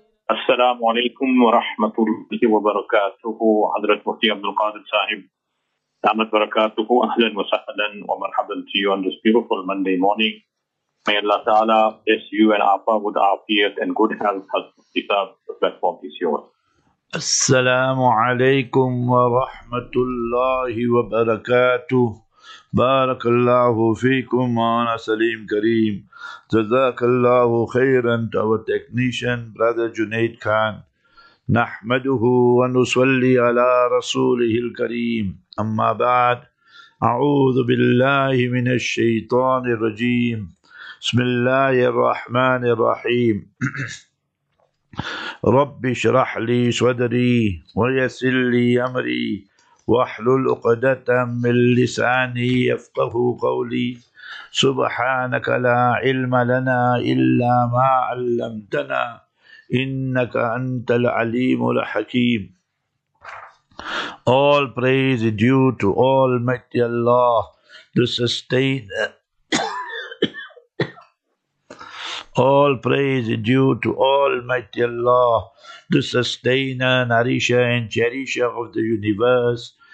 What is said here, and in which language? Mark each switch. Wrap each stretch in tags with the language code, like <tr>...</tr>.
<ar>السلام عليكم ورحمة الله وبركاته. حضرة مفتي عبد القادر صاحب دامت بركاته، أهلا وسهلا ومرحبا</ar> <en>to you on this beautiful Monday morning. May Allah Ta'ala bless you and Aapa with Aafiyat and good health. Has Mufti Saab, the platform is yours.</en> <ar>السلام عليكم ورحمة الله وبركاته. بارك الله فيكم وانا سليم كريم. جزاك الله خيرا</ar> <en>to our technician brother Junaid Khan.</en> <ar>نحمده ونصلي على رسوله الكريم. أما بعد، أعوذ بالله من الشيطان الرجيم. بسم الله الرحمن الرحيم. رب اشرح لي صدري ويسر لي أمري واحلل عقدة من لساني يفقه قولي سبحانك لا علم لنا إلا ما علمتنا إنك أنت العليم الحكيم.</ar> <en>All praise is due to Almighty Allah, the Sustainer. All praise is due to Almighty Allah, the Sustainer, Nourisher and Cherisher of the Universe.</en>